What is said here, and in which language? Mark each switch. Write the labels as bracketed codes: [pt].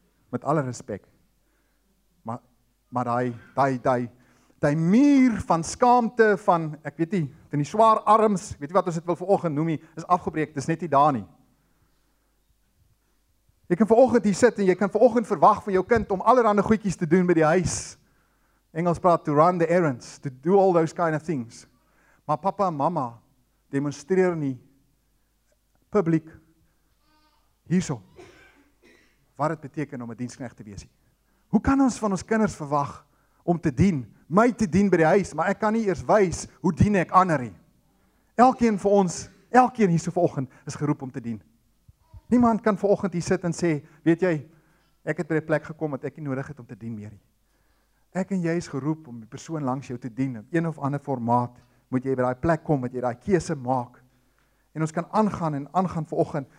[af] Met alle respek. Maar daai muur van skaamte van ek weet nie, van die swaar arms, weet jy wat ons dit wil vanoggend noem, is afgebreek. Dis net nie daar nie. Jy kan vanoggend hier sit en jy kan vanoggend verwag van jou kind om allerhande goedjies te doen by die huis. Engels praat [en] to run the errands, to do all those kind of things. [af] Maar papa en mama demonstreer nie publiek hierso wat dit beteken om 'n dienskneg te wees. Hoe kan ons van ons kinders verwag om te dien, my te dien by die huis, maar ek kan nie eers wys hoe dien ek ander nie. Elkeen van ons, elkeen hierso vanoggend is geroep om te dien. Niemand kan vanoggend hier sit en sê, weet jy, ek het by die plek gekom wat ek nie nodig het om te dien meer nie. Ek en jy is geroep om die persoon langs jou te dien. In een of ander formaat moet jy by daai plek kom, moet jy daai keuse maak. En ons kan aangaan en aangaan vanoggend.